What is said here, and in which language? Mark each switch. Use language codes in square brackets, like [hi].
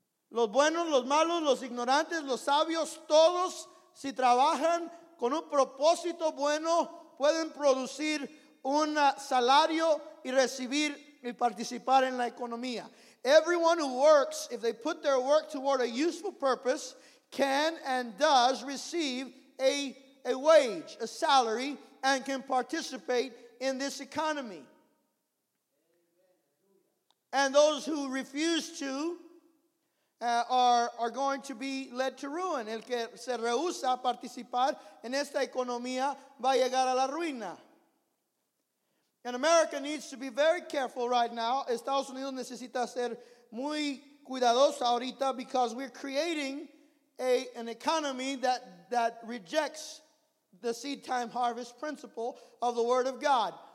[es] Los buenos, los malos, los ignorantes, los sabios, todos, si trabajan con un propósito bueno, pueden producir un salario y recibir y participar en la economía. [en] Everyone who works, if they put their work toward a useful purpose, can and does receive a wage, a salary, and can participate in this economy. And those who refuse to are going to be led to ruin. [es] El que se rehúsa a participar en esta economía va a llegar a la ruina. [en] And America needs to be very careful right now. [es] Estados Unidos necesita ser muy cuidadoso ahorita, [en] because we're creating an economy that rejects the seed time harvest principle of the Word of God.